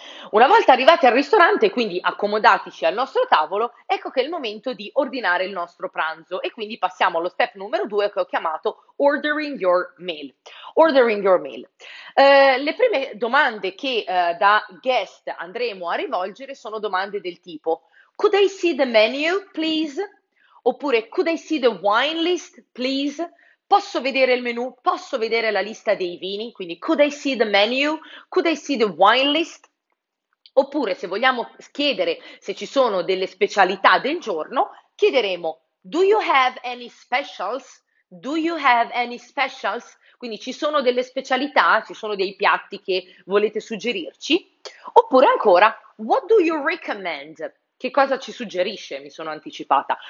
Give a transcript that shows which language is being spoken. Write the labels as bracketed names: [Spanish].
[Italian] Una volta arrivati al ristorante, quindi accomodatici al nostro tavolo, ecco che è il momento di ordinare il nostro pranzo e quindi passiamo allo step numero 2 che ho chiamato [English] Ordering Your Meal. ordering your meal. [Italian] Le prime domande che da guest andremo a rivolgere sono domande del tipo: [English] Could I see the menu, please? Oppure Could I see the wine list, please? [Italian] Posso vedere il menu? Posso vedere la lista dei vini? [English] Quindi Could I see the menu? Could I see the wine list? [Italian] Oppure, se vogliamo chiedere se ci sono delle specialità del giorno, chiederemo: [English] Do you have any specials? Do you have any specials? [Italian] Quindi ci sono delle specialità, ci sono dei piatti che volete suggerirci? Oppure ancora, [English] What do you recommend? [Italian] Che cosa ci suggerisce? Mi sono anticipata.